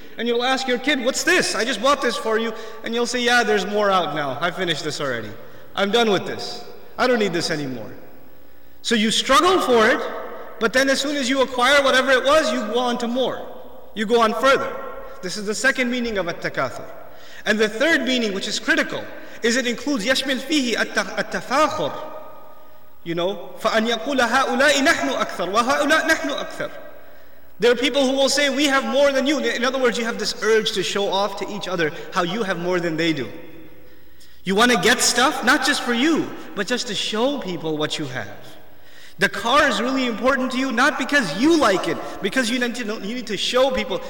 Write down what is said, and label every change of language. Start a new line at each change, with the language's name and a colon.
English: And you'll ask your kid, what's this? I just bought this for you. And you'll say, yeah, there's more out now. I finished this already. I'm done with this. I don't need this anymore. So you struggle for it, but then as soon as you acquire whatever it was, you go on to more. You go on further. This is the second meaning of at-takathur. And the third meaning, which is critical, is it includes
Arabic: yashmil fihi at-tafakhur.
English: You know,
Arabic: فَأَنْ يَقُولَ هَؤُلَاءِ نَحْنُ أَكْثَرُ وَهَؤُلَاءِ نَحْنُ أَكْثَرُ.
English: There are people who will say, we have more than you. In other words, you have this urge to show off to each other how you have more than they do. You want to get stuff, not just for you, but just to show people what you have. The car is really important to you, not because you like it, because you need to show people.